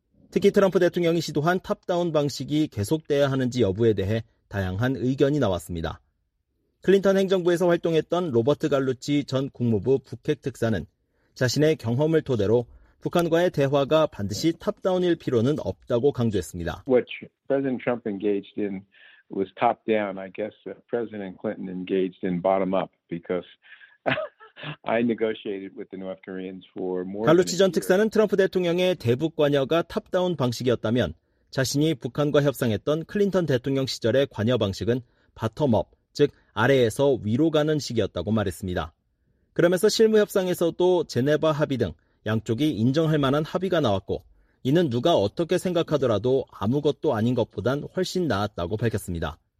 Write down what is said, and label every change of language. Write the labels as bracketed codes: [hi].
[ko] 특히 트럼프 대통령이 시도한 탑다운 방식이 계속돼야 하는지 여부에 대해 다양한 의견이 나왔습니다. 클린턴 행정부에서 활동했던 로버트 갈루치 전 국무부 북핵특사는 자신의 경험을 토대로 북한과의 대화가 반드시 탑다운일 필요는 없다고 강조했습니다. [en] What President Trump engaged in was top down. I guess President Clinton engaged in bottom up because I negotiated with the North Koreans for more. [ko] 갈루치 전 특사는 트럼프 대통령의 대북 관여가 탑다운 방식이었다면 자신이 북한과 협상했던 클린턴 대통령 시절의 관여 방식은 바텀업, 즉 아래에서 위로 가는 식이었다고 말했습니다. 그러면서 실무 협상에서도 제네바 합의 등 양쪽이 인정할 만한 합의가 나왔고 이는 누가 어떻게 생각하더라도 아무것도 아닌 것보단 훨씬 나았다고 밝혔습니다.